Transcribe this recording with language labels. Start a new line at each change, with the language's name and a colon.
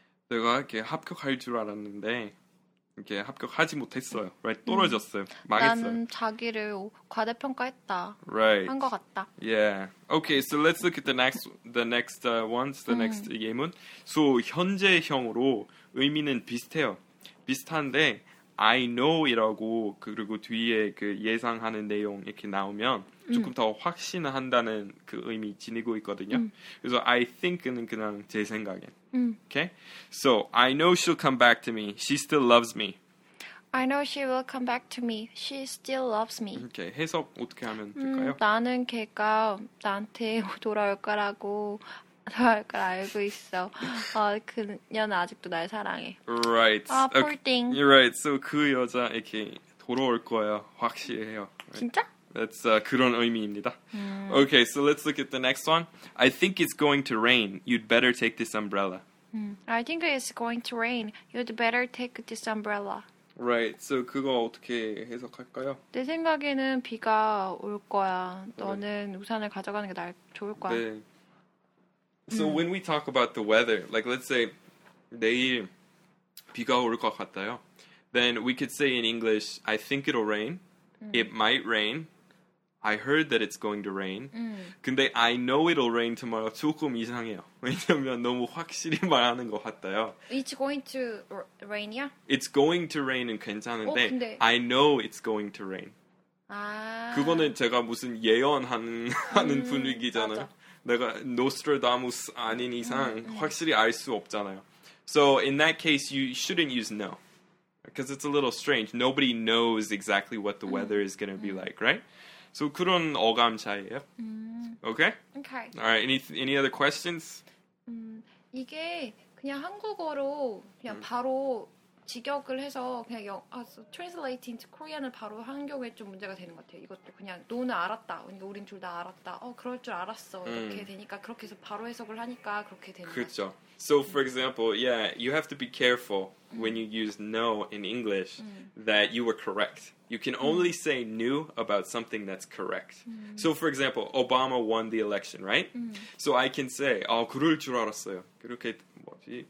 Korean: 내가 이렇게 합격할 줄 알았는데 이렇게 합격하지 못했어요. Right? 떨어졌어요. 망했어요. 난 자기를 과대평가했다.
English: Right.
Korean: 한 것 같다.
English: Yeah. Okay, so let's look at the next 예문.
Korean: So, 현재형으로 의미는 비슷해요. 비슷한데,
English: I know
Korean: 이라고 그리고 뒤에 그 예상하는 내용 이렇게 나오면 조금 더 확신한다는 그 의미 지니고 있거든요. 그래서
English: I think
Korean: 는 그냥 제 생각에.
English: Okay? So, I know she'll come back to me. She still loves me. I know she will come back to me. She still loves me. Okay.
Korean: 해석 어떻게 하면 될까요? 나는 걔가 나한테 돌아올 걸 알고 있어. 그 여자 아직도 날 사랑해.
English: Right. Poor thing. You're right.
Korean: So, 그 여자 이렇게 돌아올 거야. 확실해요.
English: Right?
Korean: 진짜?
English: That's
Korean: 그런 의미입니다.
English: Okay, so let's look at the next one. I think it's going to rain. You'd better take this umbrella. I think it's going to rain. You'd better take this umbrella. Right, so
Korean: 그거 어떻게 해석할까요? 내 생각에는 비가 올 거야. 너는 우산을 가져가는 게 좋을 거야. 네.
English: So when we talk about the weather, like let's say
Korean: 내일 비가 올 것 같아요.
English: Then we could say in English, I think it'll rain. It might rain. I heard that it's going to rain.
Korean: 근데
English: I know it'll rain tomorrow
Korean: 조금 이상해요. 왜냐면 너무 확실히 말하는 것 같아요.
English: It's going to rain이야? It's going to rain
Korean: 은 괜찮은데
English: I know it's going to rain. 아...
Korean: 그거는 제가 무슨 예언하는 분위기잖아요. 맞아. 내가 노스트라다무스 아닌 이상 확실히 알 수 없잖아요.
English: So in that case, you shouldn't use no. Because it's a little strange. Nobody knows exactly what the weather is going to be like, right?
Korean: So, 그런 어감 차이예요.
English: Okay? Okay. Alright, any other questions?
Korean: 이게 그냥 한국어로 그냥 바로 직역을 해서 그냥
English: translate into Korean
Korean: 을 바로 한 경우에 좀 문제가 되는 것 같아요. 이것도 그냥 너는 알았다. 그러니까 우린 둘 다 알았다. 그럴 줄 알았어. 이렇게 되니까 그렇게 해서 바로 해석을 하니까 그렇게 되는 거죠. 그렇죠.
English: So, for example, yeah, you have to be careful when you use no in English that you were correct. You can only say new about something that's correct. So, for example, Obama won the election, right? So, I can say,
Korean: 그럴 줄 알았어요. 그렇게 뭐지?